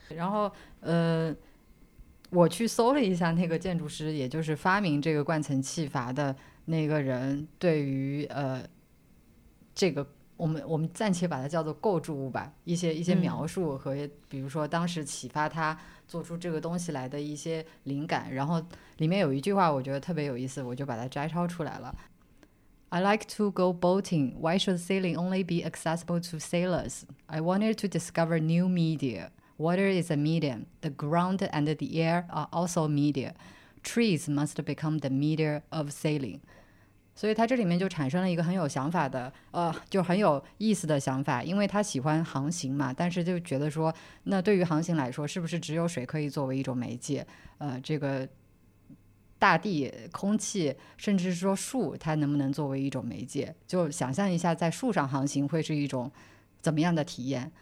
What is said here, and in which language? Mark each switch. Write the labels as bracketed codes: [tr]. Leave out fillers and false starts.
[zh] 然后我去搜了一下那个建筑师，也就是发明这个灌层气阀的那个人，对于这个我们暂且把它叫做构筑物吧，一些描述和比如说当时启发他做出这个东西来的一些灵感，然后里面有一句话我觉得特别有意思，我就把它摘抄出来了。 [en] I like to go boating. Why should sailing only be accessible to sailors? I wanted to discover new media. Water is a medium. The ground and the air are also media. Trees must become the media of sailing. [zh] 所以他这里面就产生了一个很有想法的就很有意思的想法，因为他喜欢航行嘛，但是就觉得说那对于航行来说是不是只有水可以作为一种媒介，这个大地空气甚至说树它能不能作为一种媒介，就想象一下在树上航行会是一种怎么样的体验。